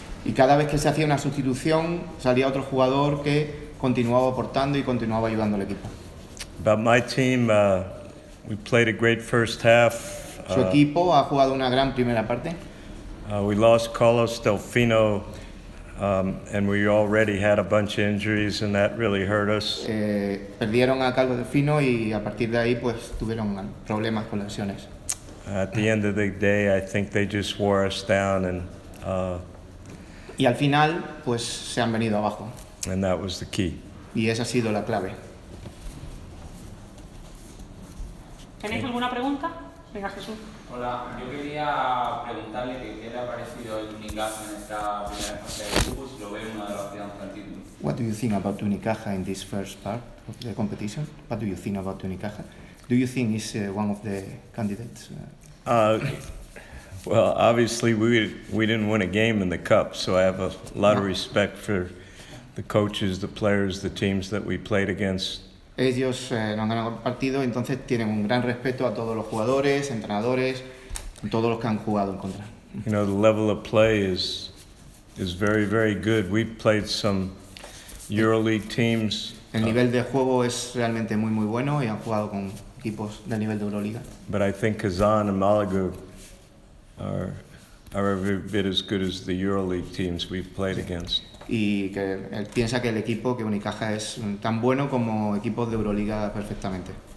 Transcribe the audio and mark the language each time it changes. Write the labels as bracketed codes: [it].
[es] Y cada vez que se hacía una sustitución, salía otro jugador que continuaba aportando y continuaba ayudando al equipo. [en] About my team, we played a great first half. [es] Su equipo ha jugado una gran primera parte. [en] We lost Carlos Delfino, and we already had a bunch of injuries, and that really hurt us. [es] Perdieron a Carlos Delfino y a partir de ahí pues tuvieron problemas con lesiones. [en] At the end of the day, I think they just wore us down and. [es] Y al final, pues se han venido abajo. [en] And that was the key. [es] Y esa ha sido la clave. ¿Tenéis alguna pregunta? Venga, Jesús. Hola, yo quería preguntarle qué le ha parecido el Unicaja en esta primera fase de grupos, si lo ve una de las opciones del título. [en] What do you think about Unicaja in this first part of the competition? What do you think about Unicaja? Do you think it's one of the candidates? Well, obviously we didn't win a game in the cup, so I have a lot of respect for the coaches, the players, the teams that we played against. [es] Ellos no han ganado el partido, entonces tienen un gran respeto a todos los jugadores, entrenadores, todos los que han jugado en contra. [en] You know, the level of play is very, very good. We played some EuroLeague teams. [es] El nivel de juego es realmente muy, muy bueno y han jugado con equipos del nivel de EuroLiga. [en] But I think Kazan and Malaga are every bit as good as the EuroLeague teams we've played against. [es] Y que él piensa que el equipo, que Unicaja es tan bueno como equipos de EuroLiga perfectamente.